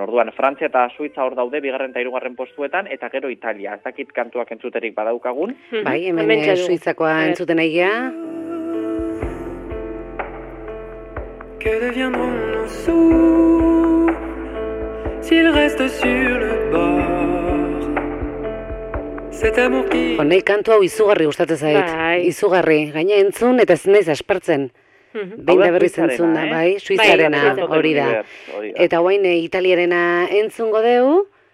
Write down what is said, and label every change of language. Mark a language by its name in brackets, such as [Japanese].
[Basque] Orduan, Frantzia eta Suitza hor daude bigarren eta hirugarren postuetan eta gero Italia. Ez dakit kantuak entzuterik badaukagun. Bai, hemen Suitzakoa entzuten aia. [French] Que deviendront nos sous s'il reste sur le bord. [Basque] Ba, nahi kantu hau izugarri gustatzen zait. Bai. Izugarri, gaina entzun eta ez naiz aspertzen. Behin da berriz entzun da, bai, Suitzarena hori da. Eta guain Italiarena entzungo dugu.